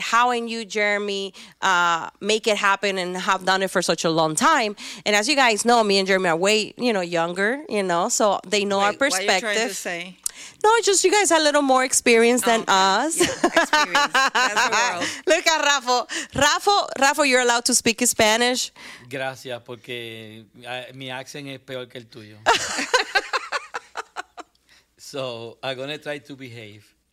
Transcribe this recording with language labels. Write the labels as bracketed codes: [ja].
[en] How and you, Jeremy, make it happen and have done it for such a long time? And as you guys know, me and Jeremy are way, you know, younger, you know, so they know our perspective. What are you trying to say? No, just you guys are a little more experienced than us. Yeah, experience. That's the world. Look at Rafa. Rafa, you're allowed to speak Spanish. [es] Gracias, porque mi accent es peor que el tuyo. [en] So, I'm going to try to behave.